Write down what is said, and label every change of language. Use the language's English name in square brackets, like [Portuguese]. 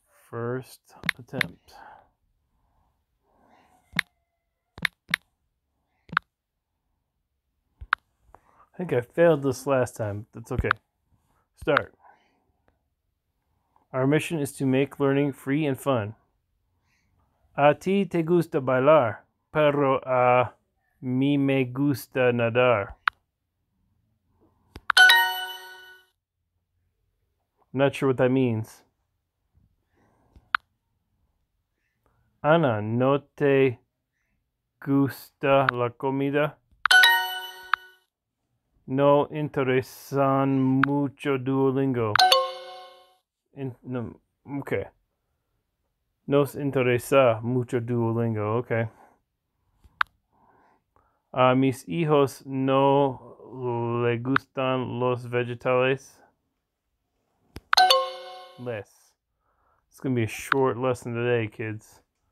[English] First attempt. I think I failed this last time. That's okay. Start. Our mission is to make learning free and fun. [Spanish] A ti te gusta bailar, pero a mí me gusta nadar. [English] I'm not sure what that means. [Spanish] Ana, ¿no te gusta la comida? No interesan mucho Duolingo. Okay. Nos interesa mucho Duolingo. Okay. A mis hijos no le gustan los vegetales. [English] Less. It's going to be a short lesson today, kids.